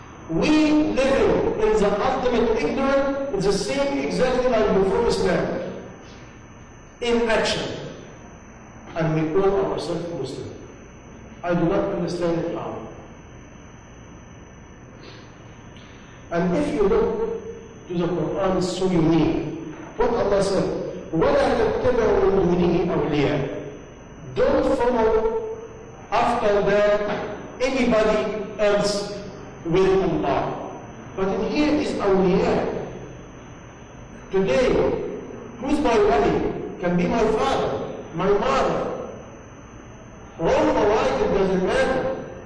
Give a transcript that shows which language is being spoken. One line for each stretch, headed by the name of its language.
English: We live in the ultimate ignorance, the same exactly like before Islam. In action. And we call ourselves Muslim. I do not understand it how. And if you look to the Quran, it's so unique. What Allah said,
Arabic: وَلَا تَتَّبَعُوا مِنِهِ أَوْلِيَا.
English: Don't follow after that anybody else with Allah. But in here is awliya. Today, who's my wali? Can be my father, my mother. Wrong or right, it doesn't matter.